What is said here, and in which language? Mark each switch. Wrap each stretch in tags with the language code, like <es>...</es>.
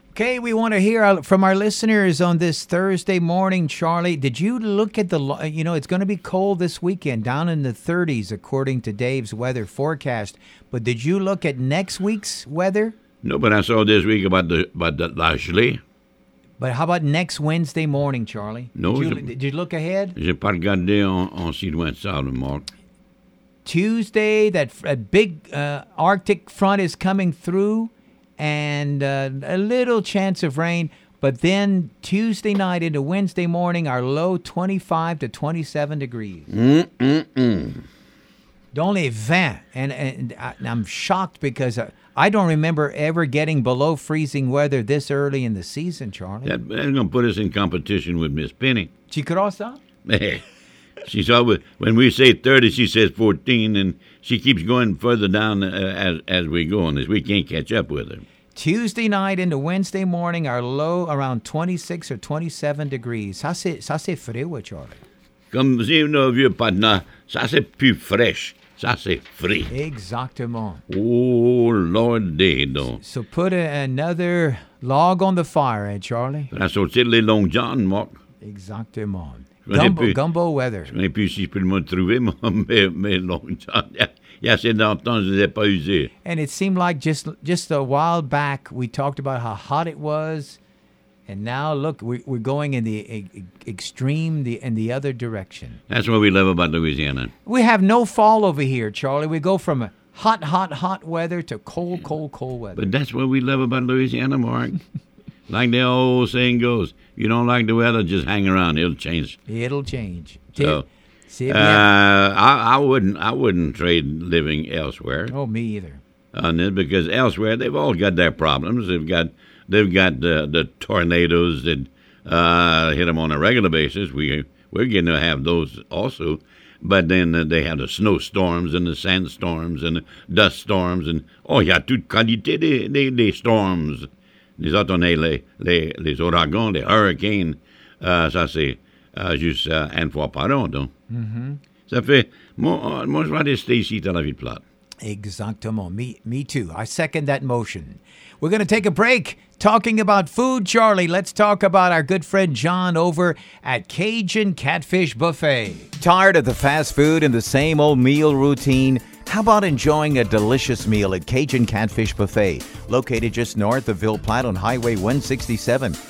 <en>Okay, we want to hear from our listeners on this Thursday morning, Charlie. Did you look at the, you know, it's going to be cold this weekend, down in the 30s, according to Dave's weather forecast. But did you look at next week's weather? No, but I saw this week about the Lashley. But how about next Wednesday morning, Charlie? No. Did you look ahead?</en> <fr>J'ai pas regardé en si loin ça, Mark.</fr> <en>Tuesday, that big Arctic front is coming through, and a little chance of rain. But then Tuesday night into Wednesday morning, our low 25 to 27 degrees. Mm-mm-mm. Only 20. And I'm shocked because I don't remember ever getting below freezing weather this early in the season, Charlie. That's going to put us in competition with Miss Penny. She could also? She's always, when we say 30, she says 14, and she keeps going further down as we go on this. We can't catch up with her. Tuesday night into Wednesday morning, our low around 26 or 27 degrees.</en> <fr>Ça c'est frio, Charlie. Comme si nos vieux partenaires, ça c'est plus fraîche. Ça c'est frio. Exactement.</fr> <en>Oh, Lord, day, though. So put another log on the fire, eh, Charlie?</en> <fr>Pour sortir les longs jambes, Mark.</fr> <en>Exactement. Gumbo weather.</en> <fr>Je ne sais plus si je peux me trouver, mais longtemps. Il y a assez longtemps, je ne les ai pas usés.</fr> <en>And it seemed like just a while back, we talked about how hot it was. And now, look, we're going in the extreme, in the other direction. That's what we love about Louisiana. We have no fall over here, Charlie. We go from hot, hot, hot weather to cold, cold, cold weather. But that's what we love about Louisiana, Mark. Like the old saying goes, you don't like the weather, just hang around. It'll change. It'll change. So, I wouldn't trade living elsewhere. Oh, me either. On this, because elsewhere, they've all got their problems. They've got the tornadoes that hit them on a regular basis. We're getting to have those also. But then they have the snowstorms and the sandstorms and the dust storms.</en> <fr>And, oh, yeah, toute qualité des storms. Les autres, les ouragans, les hurricanes, ça c'est juste une fois par an, donc. Mm-hmm. Ça fait, moi je vais rester ici dans la ville plate.</fr> <en>Exactement, me too. I second that motion. We're going to take a break. Talking about food, Charlie, let's talk about our good friend John over at Cajun Catfish Buffet. Tired of the fast food and the same old meal routine? How about enjoying a delicious meal at Cajun Catfish Buffet, located just north of Ville Platte on Highway 167?</en>